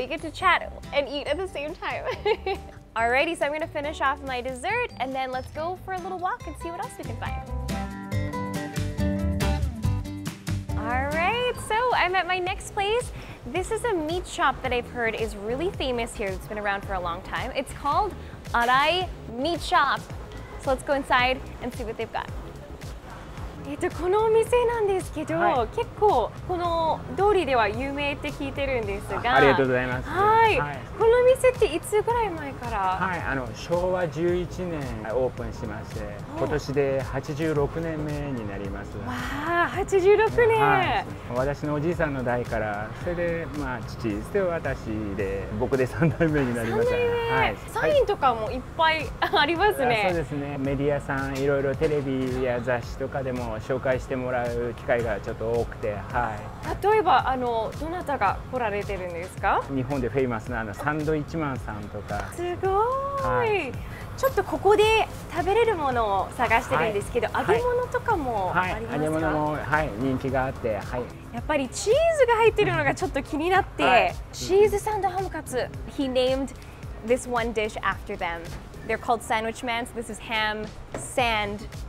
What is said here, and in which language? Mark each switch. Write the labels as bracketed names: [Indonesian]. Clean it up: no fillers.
[English] You get to chat and eat at the same time. Alrighty, so I'm going to finish off my dessert and then let's go for a little walk and see what else we can find. Alright, so I'm at my next place. This is a meat shop that I've heard is really famous here. It's been around for a long time. It's called Arai Meat Shop. So let's go inside and see what they've got. [Japanese] このお店なんですけど、はい、結構この通りでは有名って聞いてるんですが、ありがとうございます、はいはい、この店っていつぐらい前から、はい、あの昭和11年オープンしまして、はい、今年で86年目になります。わあ、86年、はい、私のおじいさんの代から、それで、まあ、父、それで私で、僕で3代目になりました。 3代目、はい、サインとかもいっぱいありますね、はい、そうですね、メディアさん、いろいろテレビや雑誌とかでも紹介してもらう機会がちょっと多くて、はい、例えばあのどなたが来られてるんですか？日本でフェイマスなあのサンドイッチマンさんとか。すごい、はい、ちょっとここで食べれるものを探してるんですけど、はい、揚げ物とかもありますか？はい、揚げ物も、はい、人気があって、はい、やっぱりチーズが入ってるのがちょっと気になって、はい、チーズサンドハムカツ。 [English] He named this one dish after them. They're called sandwich man, so this is ham sandcutlet.